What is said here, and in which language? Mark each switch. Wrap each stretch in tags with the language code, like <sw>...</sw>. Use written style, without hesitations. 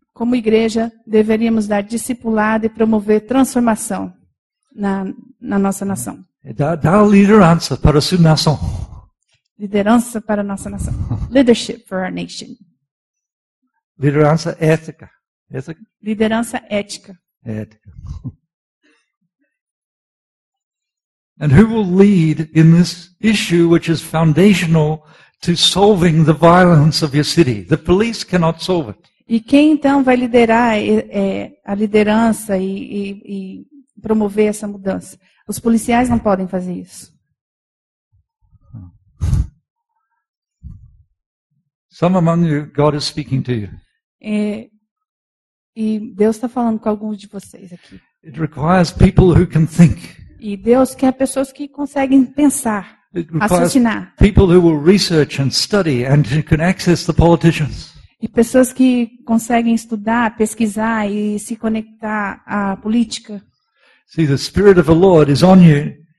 <pt>Como igreja, deveríamos dar discipulado e promover transformação na nossa nação. Dar liderança para a sua nação. Liderança para a nossa nação.</pt> <en>Leadership for our nation.</en> <pt>Liderança ética. Ética. Liderança ética. Ética.</pt> <en>And who will lead in this issue which is foundational to solving the violence of your city? The police cannot solve it.</en> <pt>E quem então vai liderar a liderança e promover essa mudança? Os policiais não podem fazer isso.</pt> <en>Some among you, God is speaking to you.</en> <pt>E Deus está falando com alguns de vocês aqui.</pt> <en>It requires people who can think.</en> <pt>E Deus quer pessoas que conseguem pensar, raciocinar.</pt> <en>People who will research and study and can access the politicians.</en> <pt>E pessoas que conseguem estudar, pesquisar e se conectar à política.</pt> <en>See, the Spirit of the Lord is on you.</en>